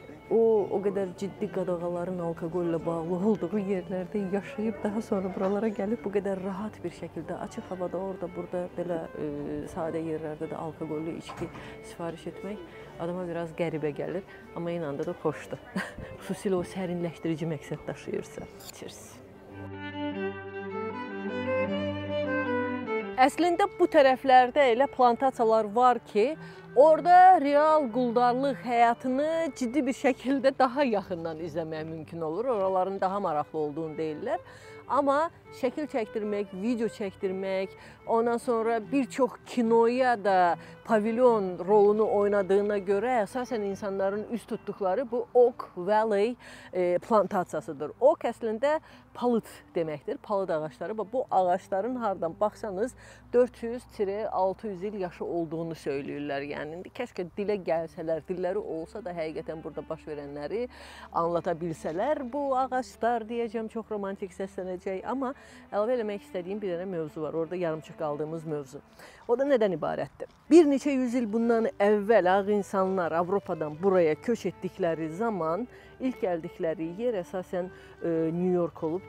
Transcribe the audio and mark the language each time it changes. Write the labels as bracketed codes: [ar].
[tr] O kadar ciddi qadağaların alkoholle bağlı olduğu yerlerde yaşayıp daha sonra buralara gelip bu kadar rahat bir şekilde açık havada orada burada belə sade yerlerde de alkoholü içki sipariş etmek adama biraz garibe gelir. Ama inanda da hoşdur. [az] Xüsusilə o serinleştirici məqsəd taşıyırsa. Cheers. Əslində bu tərəflərdə elə plantasiyalar var ki, orada real quldarlıq həyatını ciddi bir şəkildə daha yaxından izləmək mümkün olur. Oraların daha maraqlı olduğunu deyirlər. Amma şəkil çəkdirmək, video çəkdirmək, ondan sonra bir çox kinoya da pavilyon rolunu oynadığına görə əsasən insanların üst tutduqları bu Oak Valley plantasiyasıdır. Oak əslində palıd deməkdir, palıd ağaçları. Bu ağaçların hardan baxsanız 400-600 il yaşı olduğunu söylüyorlar. Yəni, keşke dilə gəlsələr, dilləri olsa da həqiqətən burada baş verənləri anlatabilsələr bu ağaçlar deyəcəm, çox romantik səslənəcək. Amma əlavə eləmək istədiyim bir dənə mövzu var, orada yarımçıq qaldığımız mövzu. O da nədən ibarətdir? Bir neçə yüz il bundan əvvəl ağ insanlar Avropadan buraya köç etdikləri zaman ilk gəldikləri yer əsasən New York olub.